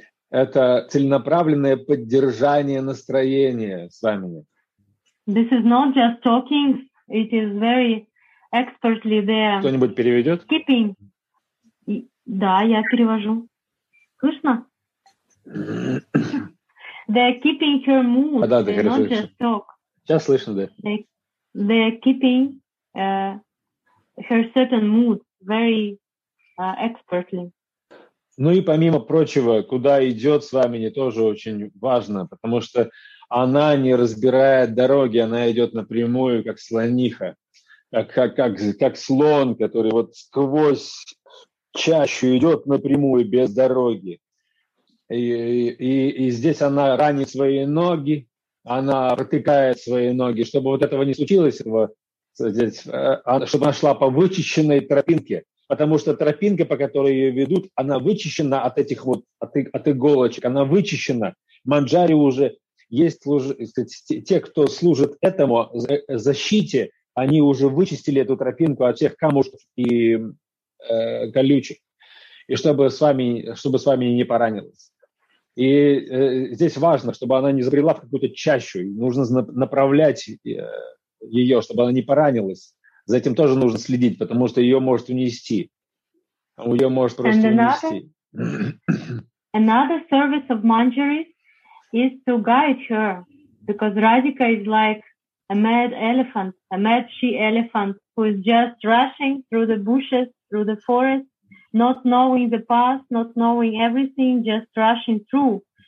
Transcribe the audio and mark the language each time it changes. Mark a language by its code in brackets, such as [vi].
[ru] это целенаправленное поддержание настроения свамини. [en] This is not just talking, it is very expertly there. [ru] Кто-нибудь переведет? Keeping. Да, я перевожу. Слышно? [en] They're keeping her mood. [ru] Да, да, хорошо. Сейчас слышно, да. [en] They're keeping her certain mood very expertly. [ru] Ну и помимо прочего, куда идет свамини, тоже очень важно, потому что она не разбирает дороги, она идет напрямую, как слониха, как слон, который вот сквозь чащу идет напрямую, без дороги. И здесь она ранит свои ноги, она протыкает свои ноги, чтобы вот этого не случилось, чтобы она шла по вычищенной тропинке. Потому что тропинка, по которой ее ведут, она вычищена от этих вот, от иголочек, она вычищена. Манджари уже есть, те, кто служит этому защите, они уже вычистили эту тропинку от всех камушков и колючек, и чтобы с вами не поранилась. И здесь важно, чтобы она не забрела в какую-то чащу, нужно направлять ее, чтобы она не поранилась. За этим тоже нужно следить, потому что ее может унести. Ее может просто [en] another, [ru] унести. [en] Another service of Manjari is to guide her, because Radhika is like a mad elephant, a mad she-elephant, who is just rushing through the bushes, through the forest, not knowing the path, not knowing everything, just rushing through.